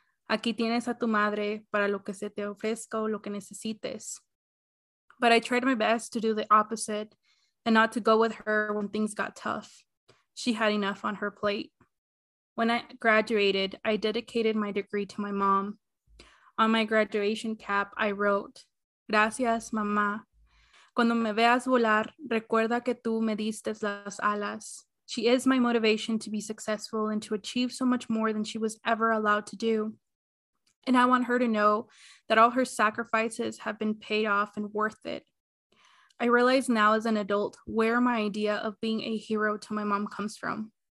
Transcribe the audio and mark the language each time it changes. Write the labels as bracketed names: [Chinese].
[Spanish] Aquí tienes a tu madre para lo que se te ofrezca o lo que necesites." [English] But I tried my best to do the opposite and not to go with her when things got tough. She had enough on her plate. When I graduated, I dedicated my degree to my mom. On my graduation cap, I wrote, [Spanish] "Gracias, mamá." Cuando me veas volar, recuerda que tú me diste las alas. [English] She is my motivation to be successful and to achieve so much more than she was ever allowed to do. And I want her to know that all her sacrifices have been paid off and worth it. I realize now as an adult where my idea of being a hero to my mom comes from.